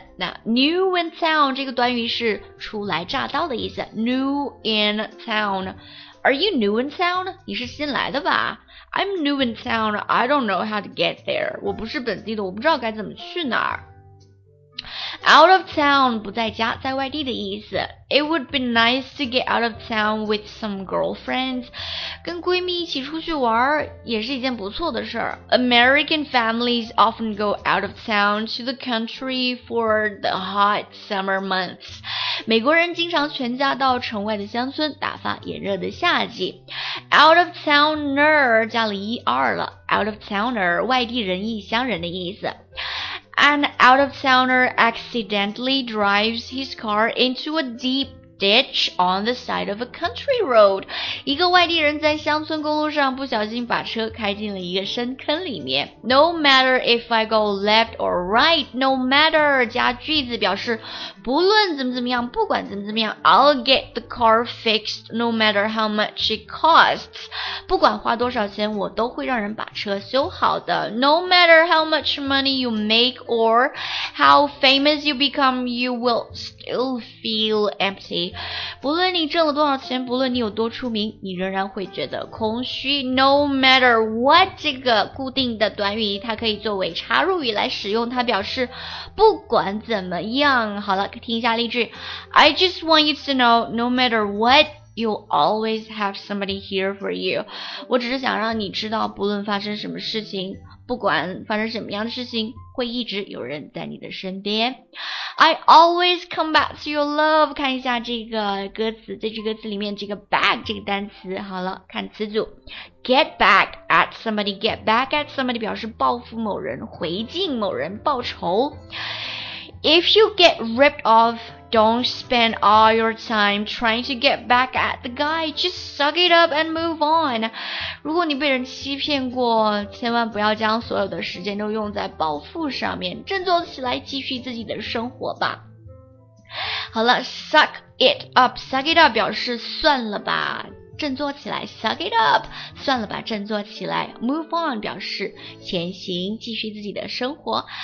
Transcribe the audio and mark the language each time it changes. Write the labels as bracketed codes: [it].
[zh] 那 [en] new in town [zh] 这个短语是初来乍到的意思。 [en] New in town。 Are you new in town? [zh] 你是新来的吧？ [en] I'm new in town. I don't know how to get there. [zh] 我不是本地的，我不知道该怎么去哪儿。 [en] Out of town, [zh] 不在家，在外地的意思。 [en] It would be nice to get out of town with some girlfriends. [zh] 跟闺蜜一起出去玩也是一件不错的事儿。 [en] American families often go out of town to the country for the hot summer months. [zh] 美国人经常全家到城外的乡村打发炎热的夏季。 [en] Out of towner, [zh] 加了ER了。Out of towner, 外地人异乡人的意思。 [en] An out-of-towner accidentally drives his car into a deep ditch on the side of a country road. [zh] 一个外地人在乡村公路上不小心把车开进了一个深坑里面。 [en] No matter if I go left or right, no matter, [zh] 加句子表示不论怎么怎么样，不管怎么怎么样， [en] I'll get the car fixed no matter how much it costs. [zh] 不管花多少钱，我都会让人把车修好的。 [en] No matter how much money you make or how famous you become, you will still feel empty. [zh] 不论你挣了多少钱，不论你有多出名，你仍然会觉得空虚。 [en] No matter what, [zh] 这个固定的短语它可以作为插入语来使用，它表示不管怎么样。好了，听一下例句。 [en] I just want you to know, no matter what, you'll always have somebody here for you. [zh] 我只是想让你知道，不论发生什么事情，不管发生什么样的事情，会一直有人在你的身边。 [en] I always come back to your love. [zh] 看一下这个歌词，在这个词里面这个 back 这个单词。好了，看词组。 [en] Get back at somebody, [zh] get back at somebody 表示报复某人，回敬某人，报仇。 [en] If you get ripped off, don't spend all your time trying to get back at the guy. Just suck it up and move on. [zh] 如果你被人欺骗过，千万不要将所有的时间都用在报复上面，振作起来继续自己的生活吧。好了， [en] suck it up. Suck it up [zh] 表示算了吧，振作起来， suck it up, 算了吧，振作起来， [en] move on, [zh] 表示前行，继续自己的生活。